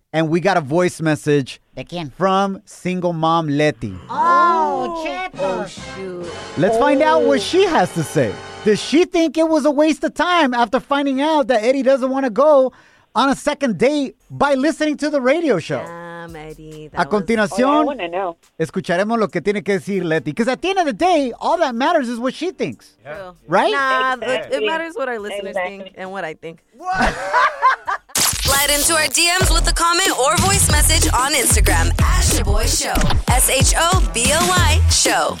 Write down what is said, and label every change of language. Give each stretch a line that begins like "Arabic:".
English: And we got a voice message. Again. From single mom Leti. Oh, Chet. Oh, shoot. Let's find out what she has to say. Does she think it was a waste of time after finding out that Eddie doesn't want to go on a second date by listening to the radio show? Eddie,
Spanish: a continuación, escucharemos lo que tiene que decir Leti.
English: Because at the end of the day, all that matters is what she thinks. Yeah. Right? Nah, exactly. It matters what our listeners think and what I think. Slide into our DMs with a comment or voice message on Instagram. At Shaboy Show. S-H-O-B-O-Y Show.